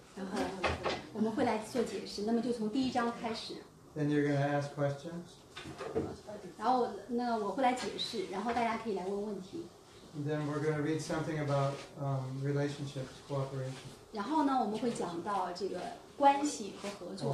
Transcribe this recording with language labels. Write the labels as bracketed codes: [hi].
[zh] 然后我们会来做解释，那么就从第一章开始。 [en] Then you're going to ask questions. [zh] 然后那我会来解释，然后大家可以来问问题。 [en] Then we're going to read something about relationships, cooperation. [zh] 然后呢，我们会讲到这个关系和合作。